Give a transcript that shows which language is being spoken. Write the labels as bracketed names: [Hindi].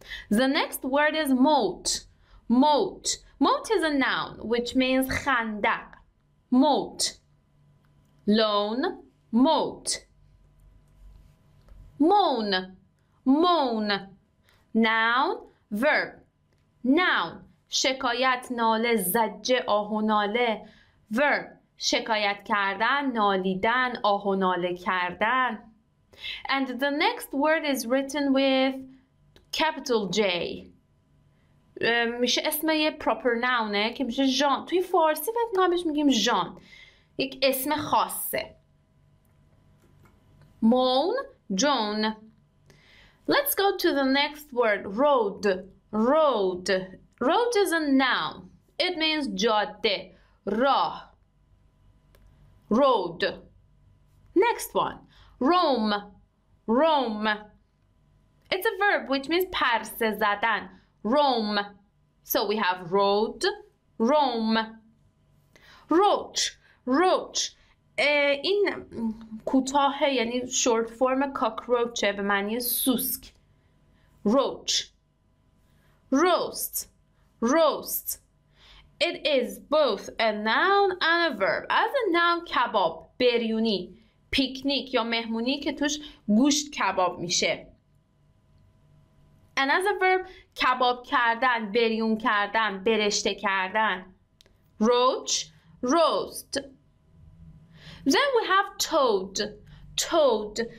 [English] The next word is moat. Moat. Moat is a noun which means خندق. Moat. Loan. Moat. Moan. Moan. Noun. Verb. Noun. [Persian] شکایت، ناله، زجه، آه و ناله. Verb. شکایت کردن، نالیدن، آه و ناله کردن. [English] And the next word is written with capital J. [Persian] میشه اسم یه proper nounه که میشه جان. توی فارسی فکر نامش میگیم جان. یک اسم خاصه. [English] Moan. جون. Let's go to the next word, road. Road. Road is a noun. It means jade, راه. Road. Next one, roam. Roam. It's a verb which means [Persian] پرسه زدن, [English] roam. So we have road, roam. Roach. Roach. [Persian] این کوتاهه، یعنی [English] short form cockroach [Persian] به معنی سوسک. [English] Roach. Roast. Roast. It is both a noun and a verb. As a noun [Persian] کباب، بریونی، پیکنیک یا مهمونی که توش گوشت کباب میشه. [English] And as a verb [Persian] کباب کردن، بریون کردن، برشته کردن. [English] Roach. Roast. Then we have toad. Toad.